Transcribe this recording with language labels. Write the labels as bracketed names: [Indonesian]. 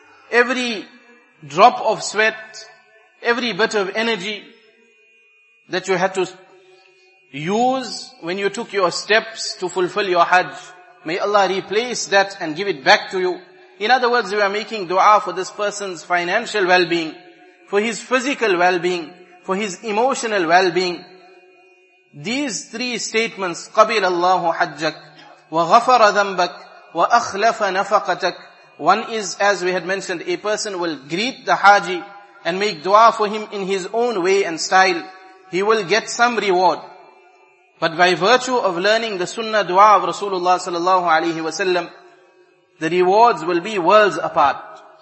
[English] Every drop of sweat, every bit of energy that you had to use when you took your steps to fulfill your Hajj, may Allah replace that and give it back to you. In other words, we are making dua for this person's financial well-being, for his physical well-being, for his emotional well-being. These three statements, [Arabic] قَبِلْ اللَّهُ حَجَّكَ وَغَفَرَ ذَنْبَكَ وَأَخْلَفَ نَفَقَتَكَ. [English] One is, as we had mentioned, a person will greet the haji and make dua for him in his own way and style. He will get some reward. But by virtue of learning the sunnah dua of Rasulullah sallallahu alaihi wasallam, the rewards will be worlds apart.